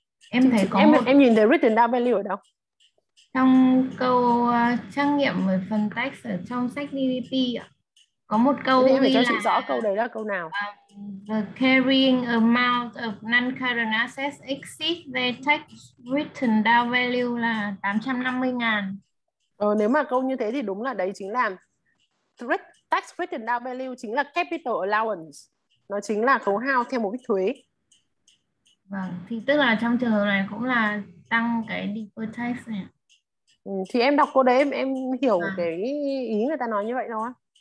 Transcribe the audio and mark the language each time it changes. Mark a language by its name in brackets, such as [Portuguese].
[Vietnamese] Em thấy có em nhìn thấy written down value ở đâu? Trong câu trắc nghiệm về phần text ở trong sách DDP ạ. Có một câu em phải cho chị rõ câu đấy là câu nào. [English] The carrying amount of non-current assets exceeds the text written down value [Vietnamese] là [English] 850,000. [Vietnamese] Nếu mà câu như thế thì đúng là đấy chính là tax written down value, chính là capital allowance. Nó chính là khấu hao theo một cái thuế. Vâng, thì tức là trong trường hợp này cũng là tăng cái deferred tax này. Thì em đọc câu đấy em hiểu à, cái ý người ta nói như vậy đúng không?